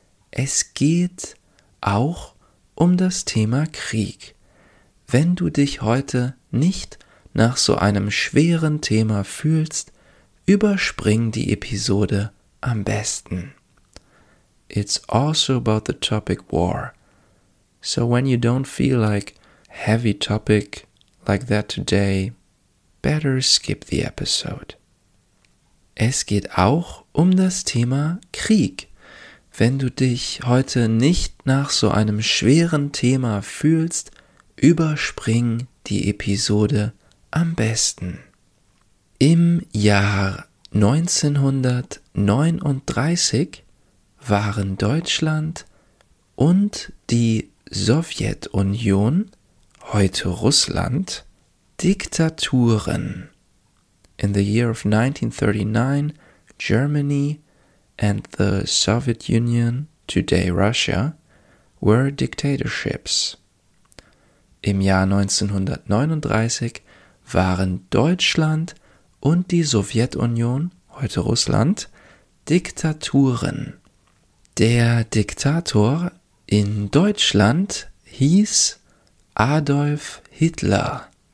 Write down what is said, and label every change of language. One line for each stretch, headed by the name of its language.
German: Es geht auch um das Thema Krieg. Wenn du dich heute nicht nach so einem schweren Thema fühlst, überspring die Episode am besten.
English: It's also about the topic war. So when you don't feel like heavy topic like that today, better skip the episode.
German: Es geht auch um das Thema Krieg. Wenn du dich heute nicht nach so einem schweren Thema fühlst, überspring die Episode am besten. Im Jahr 1939 waren Deutschland und die Sowjetunion, heute Russland, Diktaturen.
English: In the year of 1939, Germany and the Soviet Union, today Russia, were dictatorships.
German: Im Jahr 1939 waren Deutschland und die Sowjetunion, heute Russland, Diktaturen. Der Diktator in Deutschland hieß Adolf Hitler.